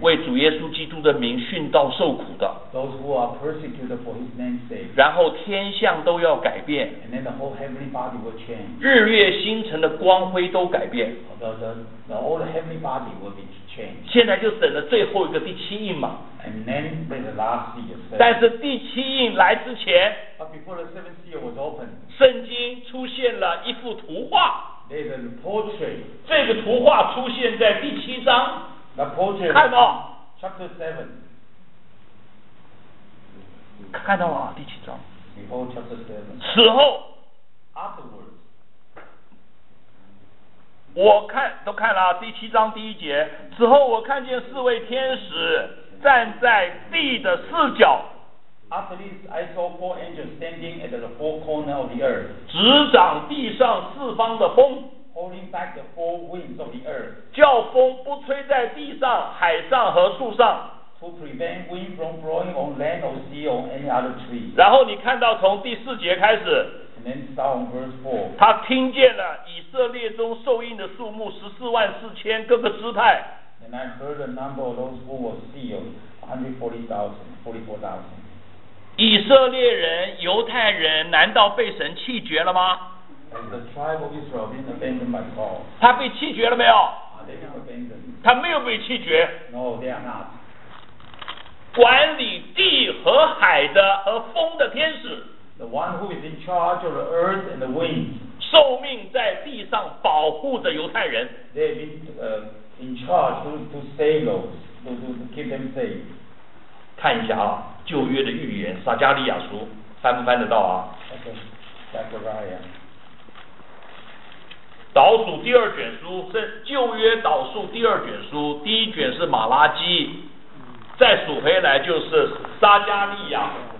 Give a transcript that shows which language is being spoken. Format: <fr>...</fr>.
<zh>为主耶稣基督的名殉道受苦的，</zh> <en>those who are persecuted for his name's sake,</en> <zh>然后天象都要改变，</zh> <en>and then the whole heavenly body will change,</en> <zh>日月星辰的光辉都改变，</zh> <en>the old heavenly body will be changed,</en> <zh>现在就等着最后一个第七印嘛，</zh> <en>and then there's the last seal,</en> <zh>但是第七印来之前，</zh> <en>but before the seventh seal was opened,</en> <zh>圣经出现了一幅图画。</zh> <en>There's a portrait.</en> <zh>这个图画出现在第七章。</zh> <en>The portrait.</en> <zh>看到。</zh> <en>Chapter seven.</en> <zh>看到了啊，第七章。</zh> <en>Before chapter seven.</en> <zh>死后。</zh> <en>Afterwards.</en> <zh>我看都看了第七章第一节，之后我看见四位天使站在地的四角。</zh> <en>After this, I saw four angels standing at the four corners of the earth.</en> <zh>执掌地上四方的风。</zh> <en>Holding back the four winds of the earth.</en> <zh>叫风不吹在地上、海上和树上。</zh> <en>To prevent wind from blowing on land or sea or any other tree.</en> <zh>然后你看到从第四节开始。</zh> <en>And then start on verse four.</en> <zh>他听见了以色列中受印的数目144,000各个支派。</zh> <en>And I heard the number of those who were sealed, 144,000.</en> <zh>以色列人、犹太人难道被神弃绝了吗？</zh> <en>Has the tribe of Israel been abandoned by God?</en> <zh>他被弃绝了没有？</zh> <en>Are they not abandoned?</en> <zh>他没有被弃绝。</zh> <en>No, they are not.</en> <zh>管理地和海的和风的天使。</zh> <en>The one who is in charge of the earth and the wind.</en> <zh>受命在地上保护的犹太人。</zh> <en>They have been, in charge to save those, to keep them safe.</en> <zh>看一下啊，旧约的预言，撒加利亚书，翻不翻得到啊？</zh> <en>Okay, Zechariah.</en> <zh>导数第二卷书，是旧约导数第二卷书，第一卷是马拉基，再数回来就是撒加利亚。</zh>